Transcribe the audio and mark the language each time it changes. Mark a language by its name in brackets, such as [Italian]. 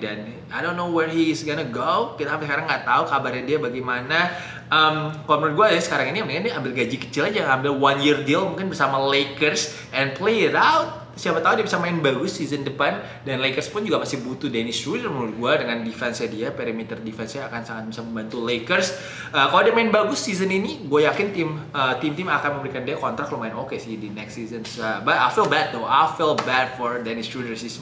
[English] Dan I don't know where he is gonna go. [Indonesian] Kita sampai sekarang gak tahu kabarnya dia bagaimana. Kalau menurut gue ya sekarang ini, mendingan dia ambil gaji kecil aja. Ambil 1-year deal mungkin bersama Lakers [English] and play it out. [Indonesian] Siapa tahu dia bisa main bagus season depan, dan Lakers pun juga masih butuh Dennis Schroeder menurut gue. Dengan defense-nya dia, perimeter defense-nya akan sangat bisa membantu Lakers. Kalau dia main bagus season ini, gue yakin tim-tim akan memberikan dia kontrak lumayan oke sih di next season. [English] But I feel bad though, I feel bad for Dennis Schroeder sih.